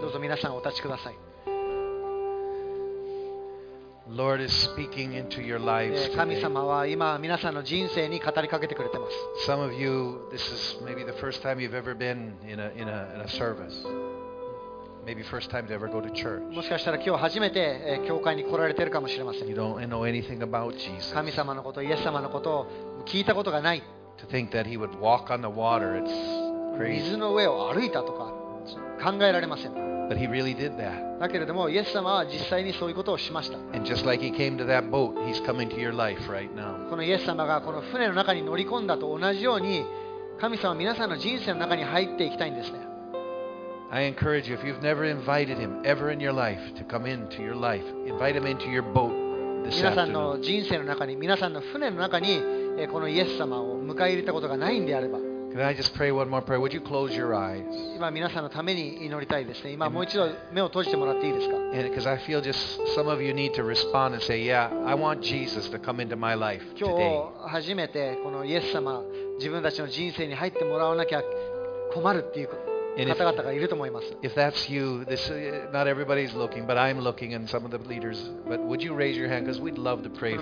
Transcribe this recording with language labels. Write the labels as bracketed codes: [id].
[ja] どうぞ皆さんお立ちください。 [en] Lord is speaking into your lives today. [ja] 神様は今皆さんの人生に語りかけてくれてます。 [en] Some of you, this is maybe the first time you've ever been in a service. Maybe first time to ever go to church. [ja] もしかしたら今日初めて教会に来られてるかもしれません。 [en] You don't know anything about Jesus. [ja] 神様のこと、イエス様のことを聞いたことがない。 [en] To think that he would walk on the water, it's [ja] 水の上を歩いたとか考えられません。 [en] But he really did that. [ja] だけれどもイエス様は実際にそういうことをしました。このイエス様がこの船の中に乗り込んだと同じように神様は皆さんの人生の中に入っていきたいんですね。 [en] I encourage you, if you've never invited him ever in your life to come into your life, invite him into your boat this afternoon. [ja] 皆さんの人生の中に、皆さんの船の中にこのイエス様を迎え入れたことがないんであれば、 [en] Can I just pray one more prayer? Would you close your eyes? [ja] 今皆さんのために祈りたいですね。今もう一度目を閉じてもらっていいですか？ [en] And because I feel just some of you need to respond and say, Yeah, I want Jesus to come into my life today. [ja] 今日初めてこのイエス様、自分たちの人生に入ってもらわなきゃ困るっていう方々がいると思います。 [en] If that's you, this not everybody's looking, but I'm looking and some of the leaders. But would you raise your hand? Because we'd love to pray for you.